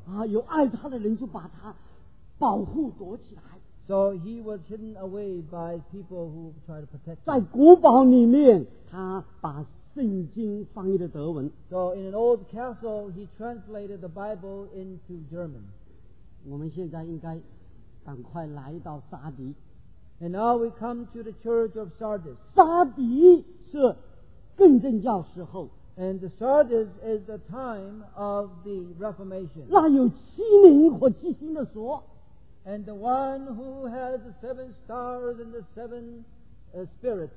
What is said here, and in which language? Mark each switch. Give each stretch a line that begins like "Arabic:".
Chinese: 啊, 有爱他的人就把他保护躲起来,
English: so he was hidden away by people who tried to protect him.
Chinese: 在古堡里面, 他把圣经翻译的德文,
English: so in an old castle, he translated the Bible into German.
Chinese: 我们现在应该赶快来到沙迪,
English: and now we come to the church of Sardis.
Chinese: 沙迪是 更正教时候,
English: and the Sardis is the time of the Reformation.
Chinese: 那有七灵和七星的所,
English: and the one who has the 7 stars and the 7 spirits,